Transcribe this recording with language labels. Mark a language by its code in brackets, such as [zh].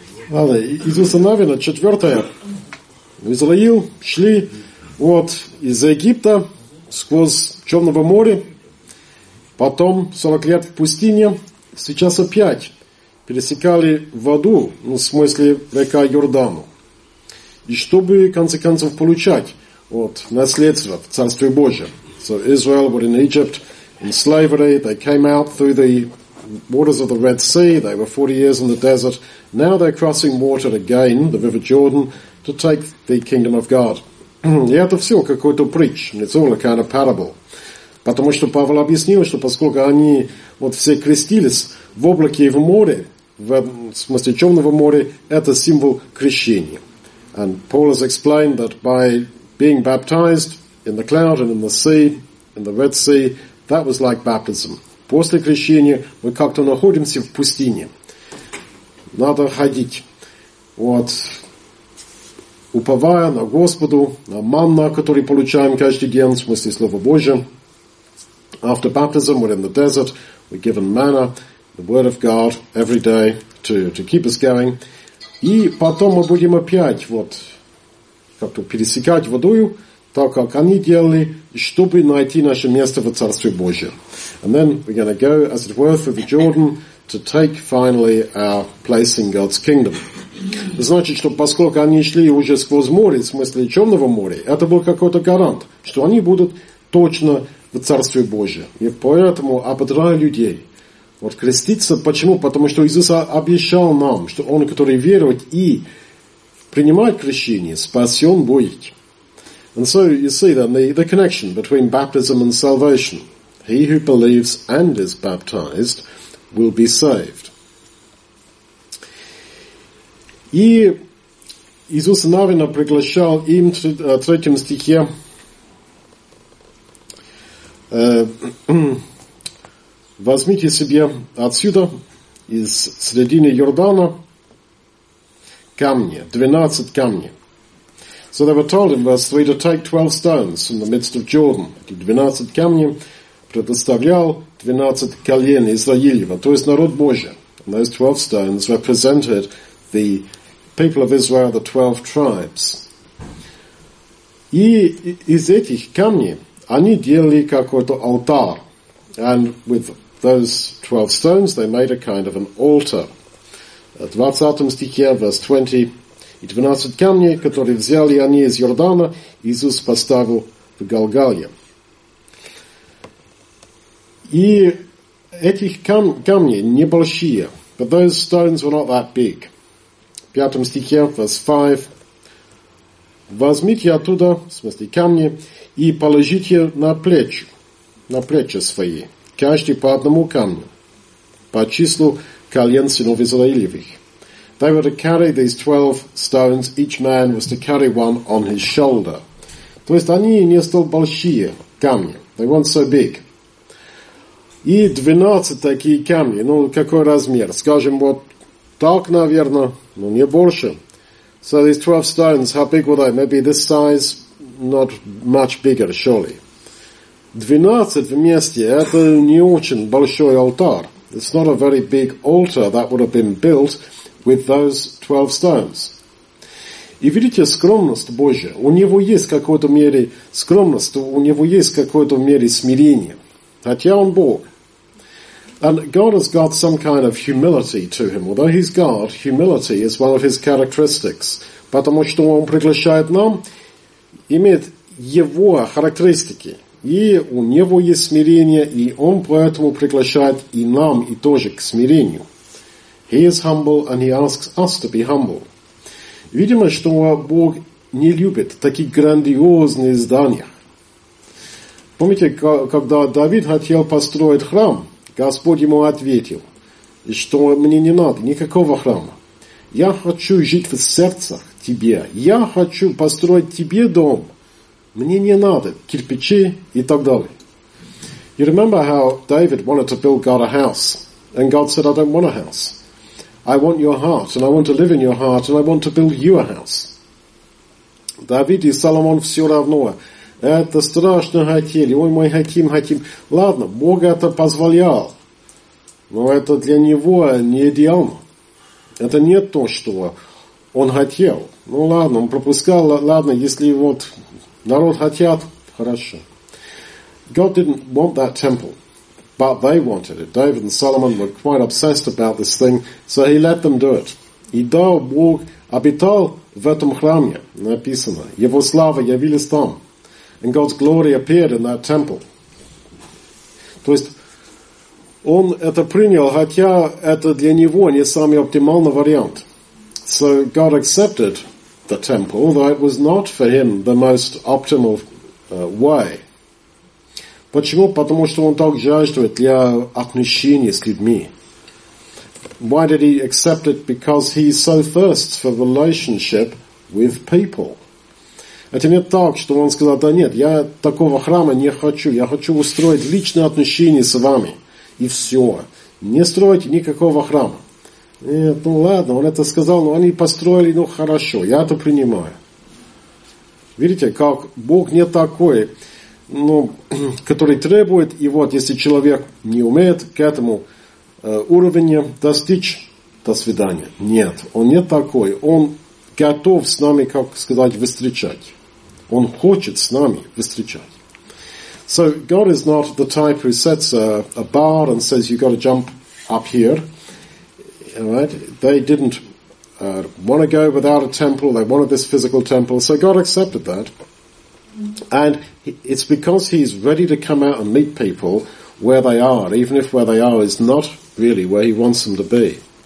[ru] Ладно, из Усанавина, четвертое. Израил шли вот из Египта сквозь Черного моря, потом 40 лет в пустыне, сейчас опять пересекали воду, ну, в смысле река Йордану. И чтобы, в конце концов, получать вот наследство в Царстве Божьем. [en] So Israel were in Egypt in slavery, they came out through the waters of the Red Sea, they were 40 years in the desert, now they're crossing water again, the River Jordan, to take the kingdom of God. [ru] И это все какой-то притч, [en] it's all a kind of parable. [ru] Потому что Павел объяснил, что поскольку они вот все крестились в облаке и в море, в смысле Черного моря, это символ крещения. [en] And Paul has explained that by being baptized in the cloud and in the sea, in the Red Sea, that was like baptism. [ru] После крещения мы как-то находимся в пустыне. Надо ходить, вот, уповая на Господу, на манну, которую получаем каждый день, в смысле Слова Божия. [en] After baptism, we're in the desert, we're given manna, the Word of God, every day to keep us going. [ru] И потом мы будем опять вот как-то пересекать водою, так как они делали, чтобы найти наше место в Царстве Божьем. [en] And then we're going to go, as it were, through the Jordan to take finally our place in God's kingdom. [ru] Значит, что поскольку они шли уже сквозь море, в смысле Черного моря, это был какой-то гарант, что они будут точно в Царстве Божьем. И поэтому ободрая людей. Вот креститься, почему? Потому что Иисус обещал нам, что он, который верует и принимает крещение, спасен будет. [en] And so you see then the connection between baptism and salvation. He who believes and is baptized will be saved. [ru] И Иисус Навина приглашал им в третьем стихе возьмите себе отсюда, из середины Йордана, камни, 12 камней. [en] So they were told in verse 3 to take 12 stones from the midst of Jordan. [ru] 12 камней предоставлял 12 колен Израилева, то есть народ Божий. [en] And those 12 stones represented the people of Israel, the 12 tribes. [ru] И из этих камней они делали какой-то алтарь. [en] And with those 12 stones, they made a kind of an altar. [ru] В 20 стихе, [en] verse 20, [ru] и 12 камней, которые взяли они из Йордана, Иисус поставил в Галгалье. И этих камни небольшие, [en] but those stones were not that big. [ru] В 5 стихе, [en] verse 5, [ru] возьмите оттуда, в смысле камни, и положите на плечи свои. Каждый по одному камню, по числу колен сынов Израилевых. [en] They were to carry these 12 stones, each man was to carry one on his shoulder. [ru] То есть они не столь большие камни, [en] they weren't so big. [ru] И 12 такие камни, ну какой размер, скажем вот так, наверное, но не больше. [en] So these 12 stones, how big were they? Maybe this size, not much bigger, surely. [ru] 12 вместе – это не очень большой алтарь. [en] It's not a very big altar that would have been built with those 12 stones. [ru] И видите, скромность Божия. У него есть какой-то мере скромность, у него есть какой-то мере смирение. Хотя он Бог. [en] And God has got some kind of humility to him. Although he's God, humility is one of his characteristics. [ru] Потому что он приглашает нам, имеет его характеристики. И у него есть смирение, и он поэтому приглашает и нам, и тоже к смирению. He is humble, and he asks us to be humble. Видимо, что Бог не любит такие грандиозные здания. Помните, когда Давид хотел построить храм, Господь ему ответил, что мне не надо никакого храма. Я хочу жить в сердцах тебе. Я хочу построить тебе дом. Мне не надо кирпичи и так далее. [en] You remember how David wanted to build God a house, and God said, I don't want a house. I want your heart, and I want to live in your heart, and I want to build you a house. [ru] Давид и Соломон все равно. Это страшно хотели. Ой, мы хотим, хотим. Ладно, Бог это позволял. Но это для него не идеально. Это не то, что он хотел. Ну ладно, он пропускал, ладно, если вот народ хотят, хорошо. [en] God didn't want that temple, but they wanted it. David and Solomon were quite obsessed about this thing, so he let them do it. [ru] И да, Бог обитал в этом храме, написано. Его слава явилась там. [en] And God's glory appeared in that temple. [ru] То есть, он это принял, хотя это для него не самый оптимальный вариант. [en] So God accepted the temple, though it was not for him the most optimal way. [ru] Почему? Потому что он так жаждет для отношений с людьми. [en] Why did he accept it? Because he so thirsts for relationship with people. [ru] Это не так, что он сказал, да нет, я такого храма не хочу. Я хочу устроить личные отношения с вами. И все. Не строить никакого храма. Нет, ну ладно, он это сказал, но они построили, ну хорошо, я это принимаю. Видите, как Бог не такой, ну, который требует, и вот если человек не умеет к этому уровню достичь, до свидания. Нет, он не такой, он готов с нами, как сказать, встречать. Он хочет с нами встречать. [en] So, God is not the type who sets a bar and says, you've got to jump up here. Right? They didn't want to go without a temple. They wanted this physical temple. So God accepted that. And it's because he's ready to come out and meet people where they are, even if where they are is not really where he wants them to be.